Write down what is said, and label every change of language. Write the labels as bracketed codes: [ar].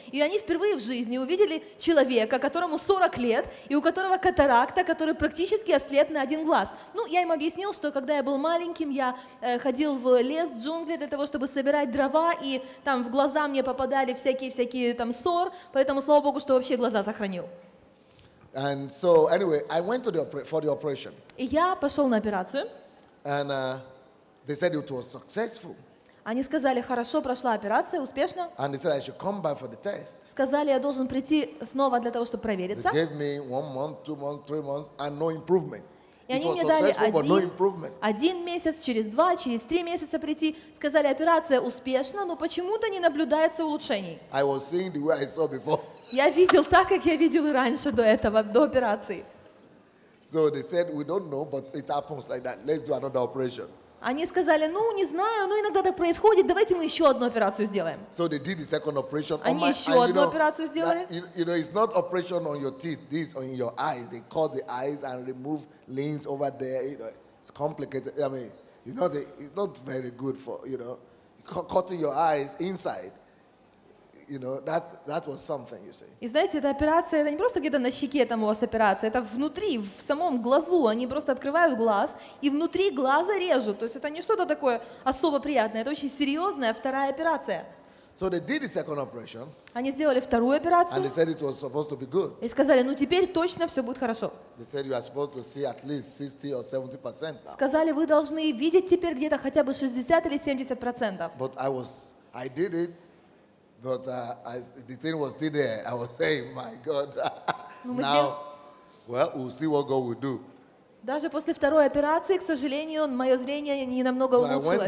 [ru] И они впервые в жизни увидели человека, которому 40 лет, и у которого катаракта, который практически ослеп на один глаз. Ну, я им объяснил, что когда я был маленьким, я ходил в лес, в джунгли для того, чтобы собирать дрова, и там в глаза мне попадали всякие там ссор, поэтому слава богу, что вообще глаза сохранил. [en] And so, anyway, I went to the operation. [ru] Я пошел на операцию. [en] And they said it was successful. [ru] Они сказали, хорошо прошла операция, успешно. [en] And they said I should come back for the test. [ru] Сказали, я должен прийти снова для того, чтобы провериться. [en] They gave me 1 month, 2 months, 3 months, and no improvement. [ru] И они мне дали один месяц, через два, через три месяца прийти. Сказали, операция успешна, но почему-то не наблюдается улучшений. [en] I was seeing the way I saw before. [ru] Я видел так, как я видел и раньше до этого, до операции. [en] So they said, we don't know, but it happens like that. Let's do another operation. [ru] Они сказали, ну, не знаю, но иногда так происходит, давайте мы еще одну операцию сделаем. [en] So they did the second operation. [ru] Они еще одну операцию сделали. [en] You know, it's not operation on your teeth, this on your eyes. They cut the eyes and remove lens over there. You know, it's complicated. I mean, it's not very good for, you know, cutting your eyes inside. You know, that was something, you see. [ru] И знаете, эта операция, это не просто где-то на щеке там у вас операция, это внутри, в самом глазу, они просто открывают глаз и внутри глаза режут. То есть это не что-то такое особо приятное, это очень серьезная вторая операция. [en] So they did the second operation. [ru] Они сделали вторую операцию. [en] And they said it was supposed to be good. [ru] И сказали, ну теперь точно все будет хорошо. [en] They said you are supposed to see at least 60 or 70%. [ru] Сказали, вы должны видеть теперь где-то хотя бы 60 или 70%. [en] But I did it. But the thing was still there. I was saying, my God, now, well, we'll see what God will do. [ru] Даже после второй операции, к сожалению, мое зрение не намного улучшилось.